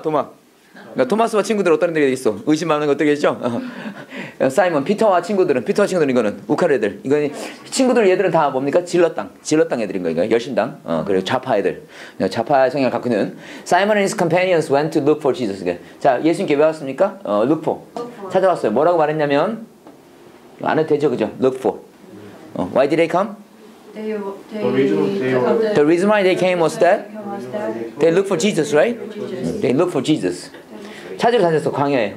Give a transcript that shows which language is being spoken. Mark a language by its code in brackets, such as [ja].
[ko] 그러니까 토마스와 친구들 어떤 애들이 있어? 의심하는 것들이 있죠? 사이먼, 피터와 친구들은 이거는 우카레들. 이거 친구들 얘들은 다 뭡니까? 질럿당 애들인 거예요. 열심당. 그리고 좌파 애들. 좌파 성향을 갖고 있는. [en] Simon and his companions went to look for Jesus. [ko] 자, 예수님께 왜 왔습니까? [en] Look for. [ko] 찾아왔어요. 뭐라고 말했냐면 안에 되죠, 그죠? [en] Look for. Why did they come? The reason why they came was that they look for Jesus, right? They look for Jesus. [ko] 찾으러 다녔어 광야에.